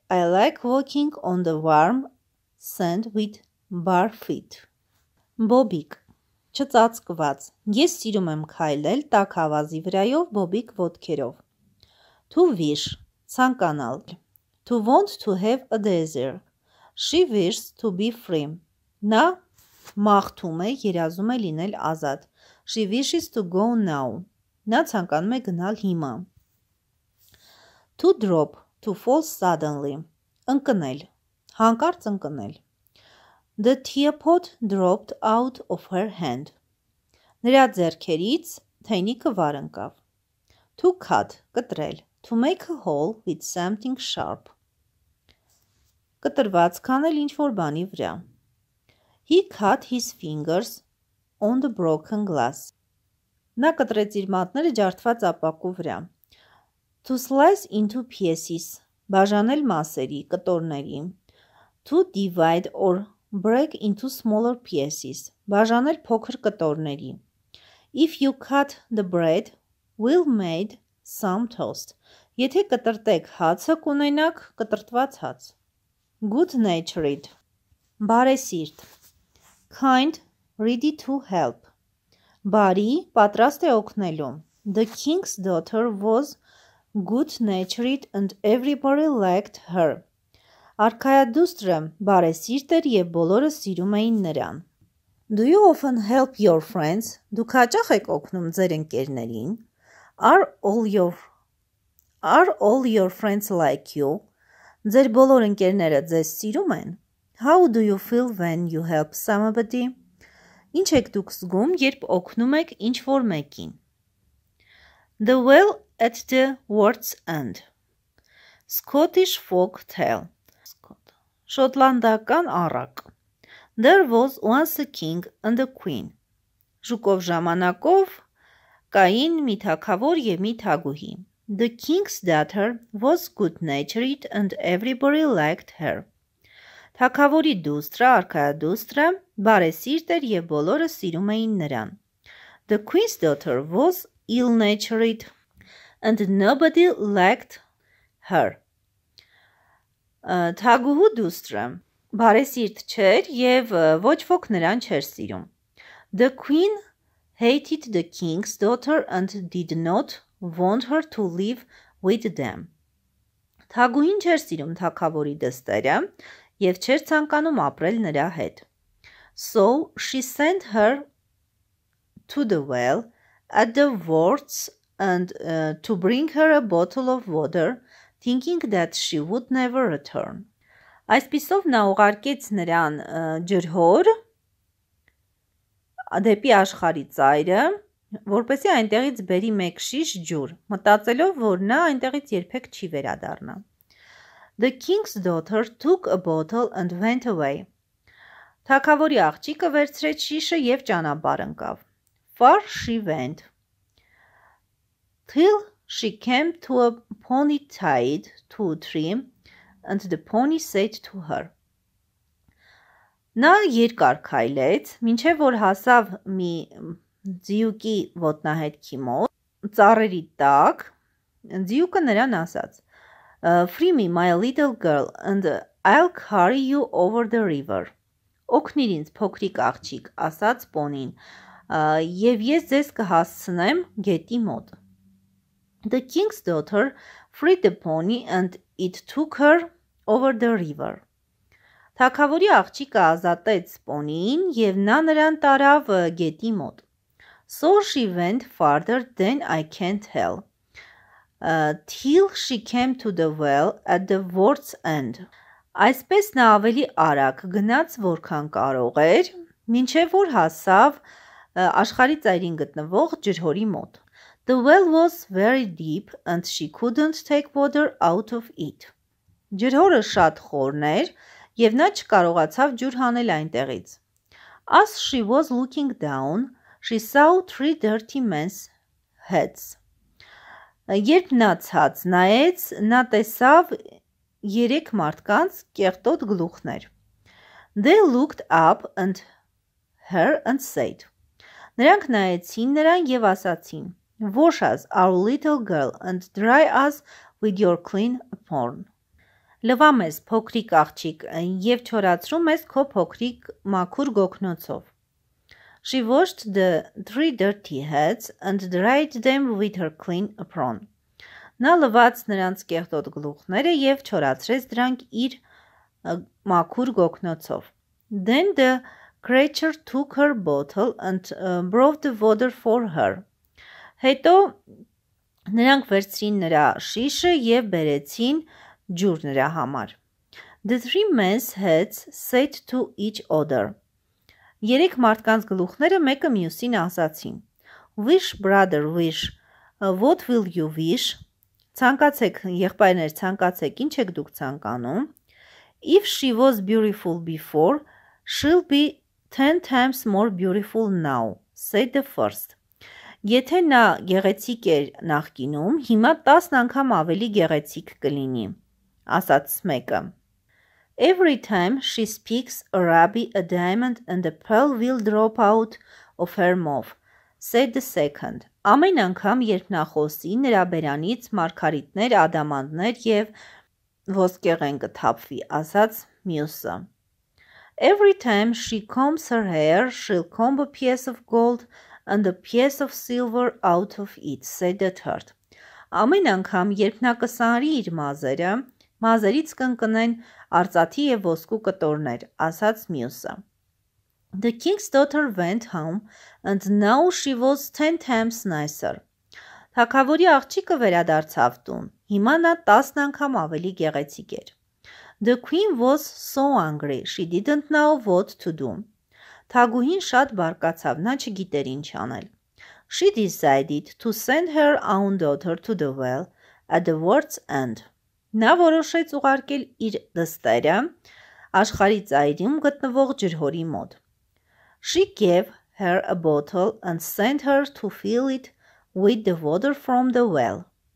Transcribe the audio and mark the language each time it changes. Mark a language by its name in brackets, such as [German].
[English] I like walking on the warm sand with bare feet. [Armenian] Բոբիկ. Չծածկված. Ես սիրում եմ քայլել տաք ավազի վրայով բոբիկ ոտքերով. [English] To wish. [Armenian] Ցանկանալ. [English] To want to have a desire. She wishes to be free. [Armenian] Նա մաղթում է, երազում է լինել ազատ. [English] She wishes to go now. [Armenian] Նա ցանկանում է գնալ հիմա. [English] To drop, to fall suddenly. [Armenian] Ընկնել, հանկարծ ընկնել. [English] The teapot dropped out of her hand. [Armenian] Նրա ձեռքերից թեյնիկը վար ընկավ. [English] To cut, [Armenian] կտրել. [English] To make a hole with something sharp. [Armenian] Կտրված քանել ինչ-որ բանի վրա. [English] He cut his fingers on the broken glass. [Armenian] Նա կտրեց իր մատները ջարդված ապակու վրա. [English] To slice into pieces. [Armenian] Բաժանել մասերի, կտորների. [English] To divide or break into smaller pieces. [Armenian] Բաժանել փոքր կտորների. [English] If you cut the bread, we'll make some toast. [Armenian] Եթե կտրտեք հացը կունենաք, կտրտված հաց. [English] Good natured. [Armenian] Բարեսիրտ. [English] Kind, ready to help. [Armenian] Բարի, պատրաստ է օգնելու. [English] The king's daughter was good natured and everybody liked her. [Armenian] Արքայադուստրը բարեսիրտ էր և բոլորը սիրում էին նրան. [English] Do you often help your friends? [Armenian] Դուք հաճախ եք օգնում ձեր ընկերներին? [English] Are all your friends like you? [Armenian] Ձեր բոլոր ընկերները ձեզ սիրում են? [English] How do you feel when you help somebody? [Armenian] Ինչ եք դուք զգում, երբ օգնում եք ինչ-որ մեկին? [English] The well at the world's end. Scottish folk tale. [Armenian] Շոտլանդական առակ. [English] There was once a king and a queen. [Armenian] Ժուկով ժամանակով կային մի թագավոր և մի թագուհի. [English] The king's daughter was good-natured and everybody liked her. [Armenian] Թագավորի դուստրը, արքայադուստրը, բարեսիրտ էր և բոլորը սիրում էին նրան. [English] The queen's daughter was ill-natured and nobody liked her. [Armenian] Թագուհու դուստրը բարեսիրտ չէր և ոչ ոք նրան չէր սիրում. [English] The queen hated the king's daughter and did not want her to live with them. [Armenian] Թագուհին չէր սիրում թագավորի դստերը և չէր ցանկանում ապրել նրա հետ. [English] So she sent her to the well at the world's end to bring her a bottle of water, thinking that she would never return. [Armenian] Այսպիսով նա ուղարկեց նրան ջրհոր դեպի աշխարհի ծայրը, որպեսի այնտեղից բերի մեկ շիշ ջուր, մտածելով, որ նա այնտեղից երբեք չի վերադառնա։ [English] The king's daughter took a bottle and went away. [Armenian] Թագավորի աղջիկը վերցրեց շիշը և ճանապարհ ընկավ։ [English] Far she went. Till she came to a pony tied to a tree and the pony said to her. [Armenian] Նա երկար քայլեց, մինչև որ հասավ մի ձիուկի ոտնահետքի մոտ, ծառերի տակ, ձիուկը նրան ասաց. [English] Free me, my little girl, and I'll carry you over the river. [Armenian] Օգնիր ինձ, փոքրիկ աղջիկ, ասաց պոնին, և ես ձեզ կհասցնեմ գետի մոտ. [English] The king's daughter freed the pony and it took her over the river. [Armenian] Թագավորի աղջիկը ազատեց պոնին, և նա նրան տարավ գետի մոտ. [English] So she went farther than I can tell. Till she came to the well at the world's end. [Armenian] Այսպես նա ավելի արագ գնաց, որքան կարող էր, մինչև որ հասավ աշխարհի ծայրին գտնվող ջրհորի մոտ. [English] The well was very deep and she couldn't take water out of it. [Armenian] Ջրհորը շատ խորն էր և նա չկարողացավ ջուր հանել այնտեղից. [English] As she was looking down, she saw three dirty men's heads. [Armenian] Երբ նա ցած նայեց, նա տեսավ երեք մարդկանց կեղտոտ գլուխներ։ [English] They looked up at her and said. [Armenian] Նրանք նայեցին նրան և ասացին. [English] Wash us, our little girl, and dry us with your clean horn. [Armenian] Լվամ ես, փոքրիկ աղջիկ, և չորացրում ես քո փոքրիկ մաքուր գոգնոցով. [English] She washed the three dirty heads and dried them with her clean apron. [Armenian] Նա լվաց նրանց կեղտոտ գլուխները և չորացրեց դրանք իր մաքուր գոգնոցով. [English] Then the creature took her bottle and brought the water for her. [Armenian] Հետո նրանք վերցրին նրա շիշը և բերեցին ջուր նրա համար. [English] The three men's heads said to each other. [Armenian] Երեք մարդկանց գլուխները մեկը մյուսին ասացին. [English] Wish, brother, wish. What will you wish? [Armenian] Ցանկացեք, եղբայրներ, ցանկացեք, ինչ եք դուք ցանկանում? [English] If she was beautiful before, she'll be 10 times more beautiful now, said the first. [Armenian] Եթե նա գեղեցիկ էր նախկինում, հիմա 10 անգամ ավելի գեղեցիկ կլինի, ասաց մեկը. [English] Every time she speaks a ruby, a diamond and a pearl will drop out of her mouth, said the second. [Armenian] Ամեն անգամ, երբ նա խոսի, նրա բերանից մարգարիտներ, ադամանդներ և ոսկեղեն կթափվի, ասաց մյուսը. [English] Every time she combs her hair, she'll comb a piece of gold and a piece of silver out of it, said the third. [Armenian] Ամեն անգամ, երբ նա կսանրի իր մազերը, մազերից կընկնեն արծաթի և ոսկու կտորներ, ասաց մյուսը. [English] The king's daughter went home and now she was 10 times nicer. [Armenian] Թագավորի աղջիկը վերադարձավ տուն, հիմա նա 10 անգամ ավելի գեղեցիկ էր. [English] The queen was so angry, she didn't know what to do. [Armenian] Թագուհին շատ բարկացավ, նա չգիտեր ինչ անել. [English] She decided to send her own daughter to the well at the world's end. [Armenian] Նա որոշեց ուղարկել իր դստերը աշխարհի ծայրում գտնվող ջրհորի մոտ. [English] She gave her a bottle and sent her to fill it with the water from the well.